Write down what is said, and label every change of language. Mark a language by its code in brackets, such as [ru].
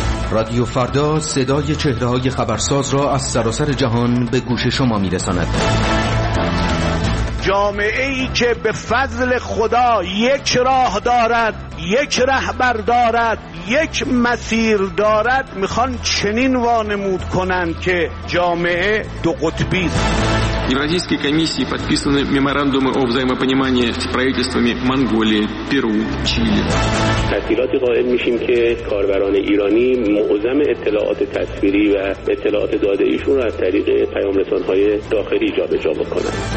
[fa] رادیو فردا صدای چهره‌های خبرساز را از سراسر جهان به گوش شما می‌رساند. جامعه ای که به فضل خدا یک راه دارد، یک رهبر دارد، یک مسیر دارد، میخوان چنین وانمود کنند که جامعه دو قطبی است. [ru] Евразийской комиссии подписаны меморандумы о взаимопонимании с правительствами Монголии, Перу, Чили. [fa] تأثیراتی قائل میشیم که کاربران ایرانی معظم اطلاعات تصویری و اطلاعات داده ایشون را از طریق پیام‌رسان‌های داخلی جابجا بکنند.